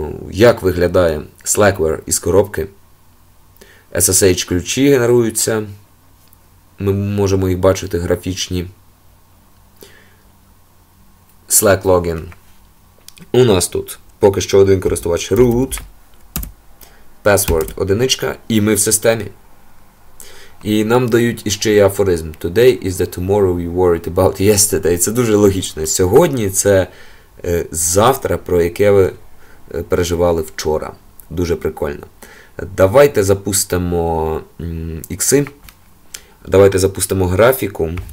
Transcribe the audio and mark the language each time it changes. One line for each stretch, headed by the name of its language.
Ukrainian: Як виглядає Slackware із коробки. SSH ключі генеруються, ми можемо їх бачити графічні.
English: Slack login.
Ukrainian: У нас тут поки що один користувач root, password одиничка, і ми в системі. І нам дають іще й афоризм:
English: today is the tomorrow you worried about yesterday.
Ukrainian: Це дуже логічно. Сьогодні це завтра, про яке ви переживали вчора. Дуже прикольно. Давайте запустимо ікси. Давайте запустимо графіку.